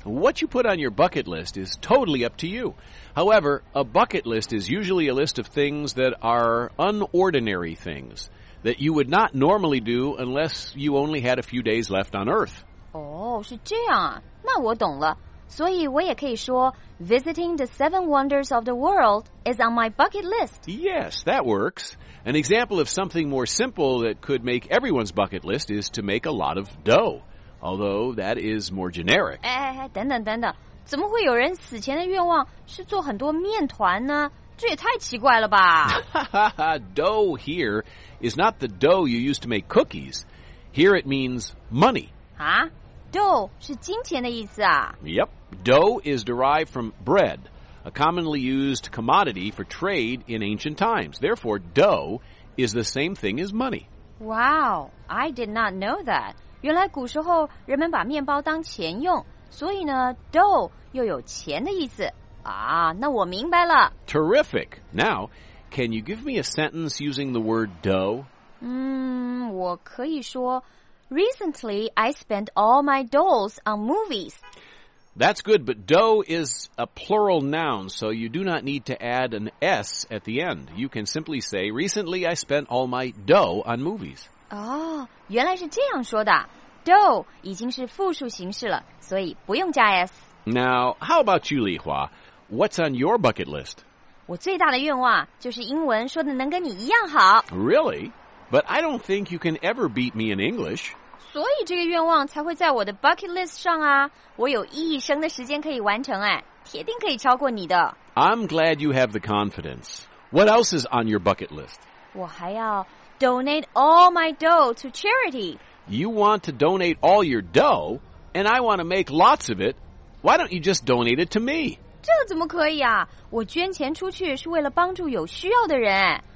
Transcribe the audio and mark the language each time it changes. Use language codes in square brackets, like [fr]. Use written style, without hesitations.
[en] What you put on your bucket list is totally up to you. However, a bucket list is usually a list of things that are unordinary things that you would not normally do unless you only had a few days left on Earth. [zh] 是这样啊，那我懂了。所以我也可以说 [en] Visiting the seven wonders of the world is on my bucket list. Yes, that works. An example of something more simple that could make everyone's bucket list is to make a lot of dough. Although that is more generic. [zh] 等等，怎么会有人死前的愿望是做很多面团呢？这也太奇怪了吧。 [en] Dough here is not the dough you use to make cookies. Here it means money. [zh] Huh? Dough 是金钱的意思啊。 [en] Yep, dough is derived from bread, a commonly used commodity for trade in ancient times. Therefore, dough is the same thing as money. Wow, I did not know that. [zh] 原来古时候人们把面包当钱用，所以呢 ，dough 又有钱的意思啊。那我明白了。 [en] Terrific. Now, can you give me a sentence using the word dough? [zh] 我可以说。 [en] Recently, I spent all my doughs on movies. That's good, but dough is a plural noun, so you do not need to add an S at the end. You can simply say, recently, I spent all my dough on movies. [zh] 原来是这样说的。Dough 已经是复数形式了，所以不用加 S. [en] Now, how about you, Lihua? What's on your bucket list? [zh] 我最大的愿望就是英文说的能跟你一样好。 [en] Really? But I don't think you can ever beat me in English. [zh] 所以这个愿望才会在我的 bucket list 上啊。我有一生的时间可以完成哎，铁定可以超过你的。 [en] I'm glad you have the confidence. What else is on your bucket list? [zh] 我还要 [en] donate all my dough to charity. You want to donate all your dough, and I want to make lots of it. Why don't you just donate it to me? [zh] 这怎么可以啊？我捐钱出去是为了帮助有需要的人哎。